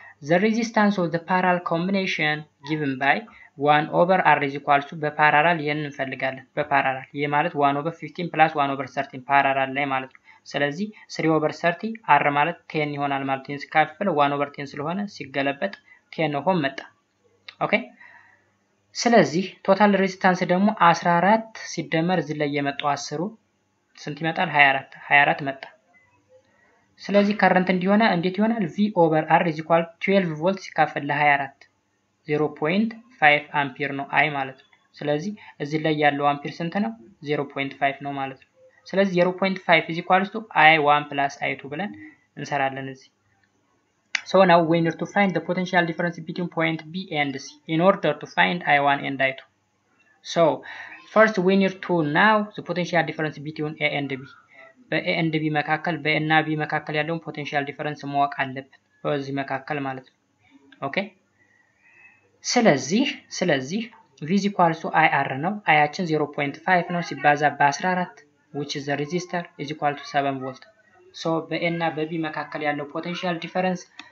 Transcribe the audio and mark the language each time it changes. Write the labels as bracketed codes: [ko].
[en] the resistance of the parallel combination given by 1 over r is equal to [am] በparallel ይሄን እንፈልጋለን በparallel ይሄ ማለት 1 over 15 plus 1 over 13 parallel ላይ ማለት ስለዚህ 3 over 30 r ማለት 10 ይሆናል ማለት ነው ሲካፈል 1 over 10 ስለሆነ ሲገለበጥ 10 ነው ሆም መጣ ኦኬ ስለዚህ ቶታል ሬዚስታንስ ደግሞ 14 ሲደመር እዚህ ላይ የመጣው 10 ስንት ይመጣል 24 24 መጣ ስለዚህ ከረንት እንዲሆነ እንዴት ይሆናል? V over R is equal to 12 volts ሲካፈል ለ24 0.5 አምፒር ነው I ማለት ነው። ስለዚህ እዚህ ላይ ያለው አምፒር ስንት ነው? 0.5 ነው ማለት ነው። ስለዚህ [en] 0.5 is equal to I1 plus I2 [am] ብለን እንሰራለን እዚህ። [en] So now we need to find the potential difference between point B and C in order to find I1 and I2. So first we need to know the potential difference between A and B. [am] በኤ እንድ ቢ መካከል በኤና ቢ መካከል ያለውን ፖቴንሻል ዲፈረንስ ማወቅ አለብን በዚህ መካከል ማለት ነው። ኦኬ ስለዚህ v is equal to ir ነው iያችን 0.5 ነው ሲባዛ በ14 [en] which is the resistor is equal to 7 volt so [am] በኤና በቢ መካከል ያለው ፖቴንሻል ዲፈረንስ